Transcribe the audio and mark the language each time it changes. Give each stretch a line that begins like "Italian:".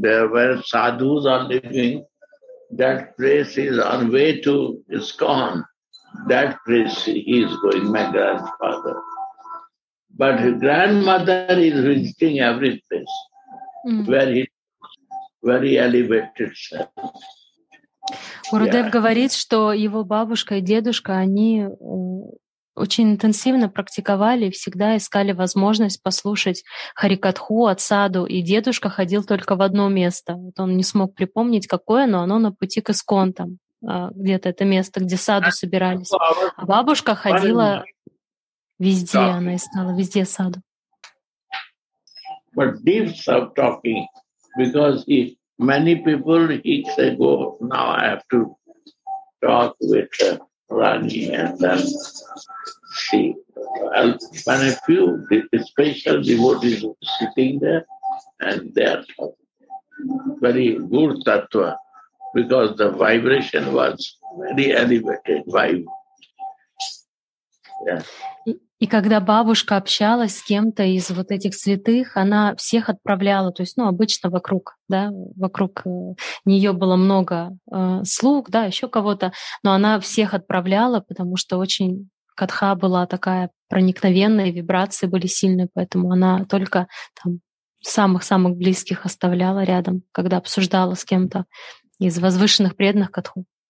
English: There where sadhus are living, that place is on way to ISKCON. That place he is going, my grandfather. But his grandmother is visiting every place where he very elevated self.
Russian: Гурудев говорит, что его бабушка и дедушка, они очень интенсивно практиковали и всегда искали возможность послушать Харикатху от саду. И дедушка ходил только в одно место. Вот он не смог припомнить, какое, но оно на пути к ИСККОН, там, где-то это место, где саду собирались. А бабушка ходила везде, она искала везде саду.
English: But deep stop talking, because he, many people, he say, go, now I have to talk with Rani and then see. And a few special devotees are sitting there and they are talking. Very good tattva, because the vibration was very elevated vibe.
Russian: И когда бабушка общалась с кем-то из вот этих святых, она всех отправляла, то есть, ну, обычно вокруг, да, вокруг нее было много слуг, да, еще кого-то, но она всех отправляла, потому что очень катха была такая проникновенная, вибрации были сильные, поэтому она только там самых-самых близких оставляла рядом, когда обсуждала с кем-то из возвышенных преданных катху.